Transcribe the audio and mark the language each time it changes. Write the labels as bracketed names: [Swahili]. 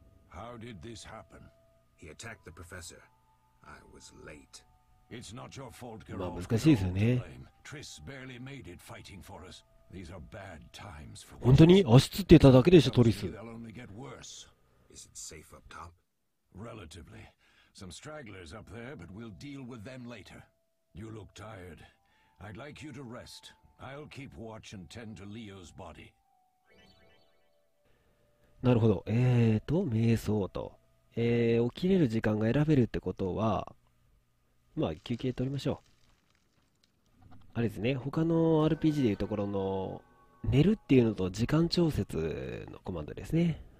[English] How did this happen? He attacked the professor. I was late. It's not your fault, Geralt. [Japanese] まあ難しいですよね。 [English] Triss barely made it fighting for us. These are bad times for us. [Japanese] 本当に足つってただけでしょ、トリス。 [English] They'll only get worse. Is it safe up top? Relatively. Some stragglers up there, but we'll deal with them later. You look tired. I'd like you to rest. I'll keep watch and tend to Leo's body. [Japanese] なるほど。瞑想と。起きれる時間が選べるってことは、まあ、休憩取りましょう。あれですね、他の RPG でいうところの、寝るっていうのと時間調節のコマンドですね。